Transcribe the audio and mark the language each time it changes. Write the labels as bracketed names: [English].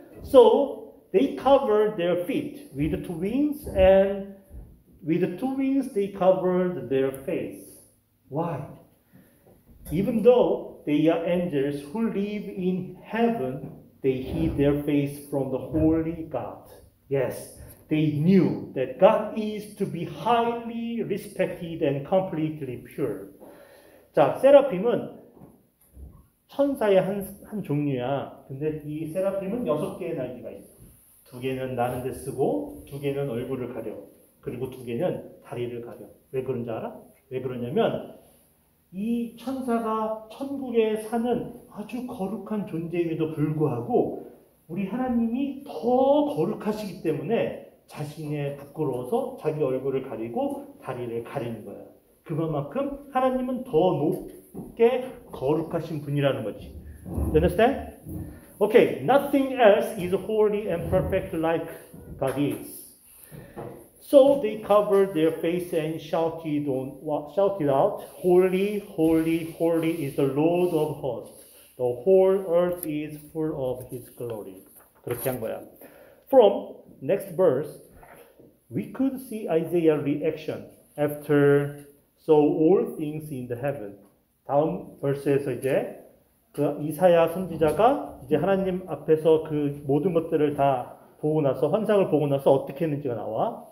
[English] So, they cover their feet with two wings and with two wings, they covered their face. Why? Even though they are angels who live in heaven, they hid their face from the holy God. Yes, they knew that God is to be highly respected and completely pure. [Korean] 자, 세라핌은 천사의 한 종류야. 근데 이 세라핌은 여섯 개의 날개가 있어. 두 개는 나는 데 쓰고, 두 개는 얼굴을 가려. 그리고 두 개는 다리를 가려. 왜 그런지 알아? 왜 그러냐면 이 천사가 천국에 사는 아주 거룩한 존재임에도 불구하고 우리 하나님이 더 거룩하시기 때문에 자신의 부끄러워서 자기 얼굴을 가리고 다리를 가리는 거야. 그만큼 하나님은 더 높게 거룩하신 분이라는 거지. [English] You understand? Okay, nothing else is holy and perfect like God is. So they covered their face and shouted out, Holy, holy, holy is the Lord of hosts. The whole earth is full of his glory. [Korean] 그렇게 한 거야. [English] From next verse, we could see Isaiah's reaction after so all things in the heaven. [Korean] 다음 verse에서 이제 그 이사야 선지자가 이제 하나님 앞에서 그 모든 것들을 다 보고 나서 환상을 보고 나서 어떻게 했는지가 나와.